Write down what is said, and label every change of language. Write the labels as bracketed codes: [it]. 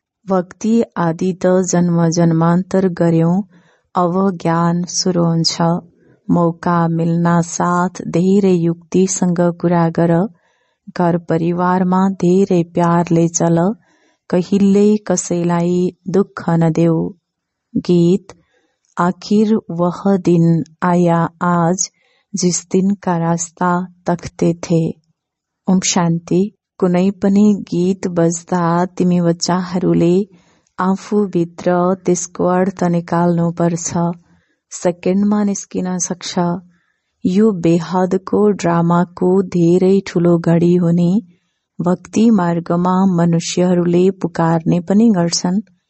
[ne] भक्ति आदि त जन्म जन्मान्तर गर्यौं, अब ज्ञान सुरु हुन्छ। मौका मिल्ना साथ धेरै युक्तिसँग कुरा गर, घर परिवारमा धेरै प्यारले चल, कहिल्ले कसैलाई दुःख नदेऊ। [hi] गीत: आखिर वह दिन आया आज, जिस दिन का रास्ता तख्ते थे। ओम शांति। [ne] कुनै पनि गीत बज्दा तिमी बच्चाहरूले आफू भित्र त्यसको अर्थ निकाल्नु पर्छ, सेकेन्डमा निस्किन सक्छ। यो बेहदको ड्रामाको धेरै ठूलो घडी हुने, भक्ति मार्गमा मनुष्यहरूले पुकार्ने पनि गर्छन्।